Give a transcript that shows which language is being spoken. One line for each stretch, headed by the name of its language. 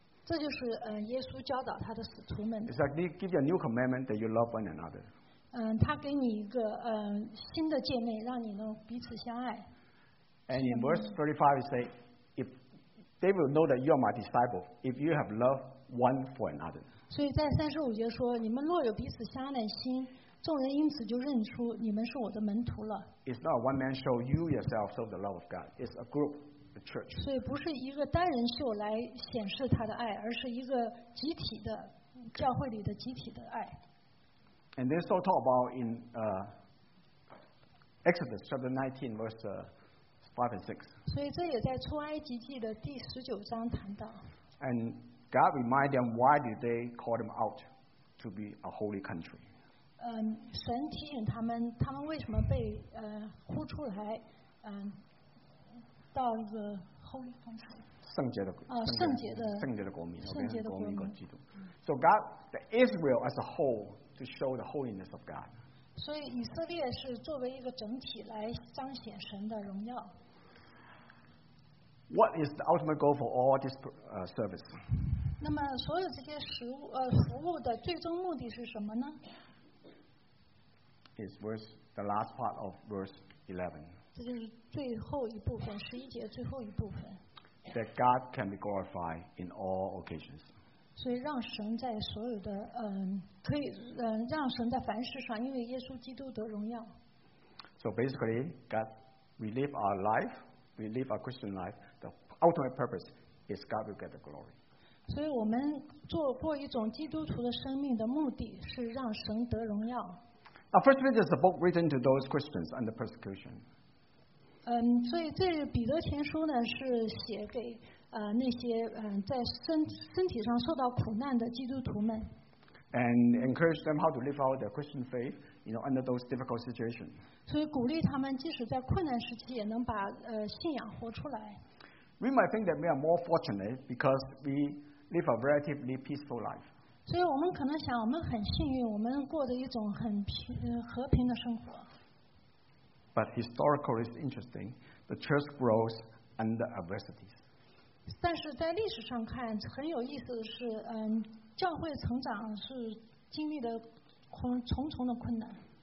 Chinese: 这就是耶稣教导他的使徒们。
English: It's like he gives you a new commandment that you love one another.
Chinese: 他给你一个新的诫命，让你能彼此相爱。
English: And in verse 35, he says, "If they will know that you are my disciple, if you have love one for another."
Chinese: 所以在三十五节说，你们若有彼此相爱的心，众人因此就认出你们是我的门徒了。
English: It's not a one-man show. You yourself show the love of God. It's a group.
Chinese: 所以不是一个单人秀来显示他的爱，而是一个集体的教会里的集体的爱。
English: And they so talk about in Exodus chapter 19 verse 5 and 6.
Chinese: 所以这也在出埃及记的第十九章谈到。
English: And God remind them why did they call them out to be a holy country?
Chinese: 神提醒他们，他们为什么被呼出来？到一个
English: holy country
Chinese: 圣洁的国民圣洁的国民基督。
English: So God, the Israel as a whole to show the holiness of God.
Chinese: 所以以色列是作为一个整体来彰显神的荣耀。
English: What is the ultimate goal for all this service?
Chinese: 那么所有这些服务的最终目的是什么呢？
English: It's verse the last part of verse 11.
Chinese: 这就是最后一部分，十一节最后一部分。
English: That God can be glorified in all occasions.
Chinese: 所以让神在所有的可以让神在凡事上，因为耶稣基督得荣耀。
English: So basically, God, we live our life, we live our Christian life. The ultimate purpose is God will get the glory.
Chinese: 所以我们做过一种基督徒的生命的目的是让神得荣耀。
English: Now, first of all, there's a book written to those Christians under persecution.
Chinese: 所以这彼得前书呢是写给那些在身体上受到苦难的基督徒们。
English: And encourage them how to live out their Christian faith, you know, under those difficult situations.
Chinese: 所以鼓励他们，即使在困难时期，也能把信仰活出来。
English: We might think that we are more fortunate because we live a relatively peaceful life.
Chinese: 所以我们可能想，我们很幸运，我们过着一种很和平的生活。
English: But historically, it's interesting. The church grows under adversities.
Chinese: 但是在历史上看，很有意思的是，教会成长是经历了重重的困难。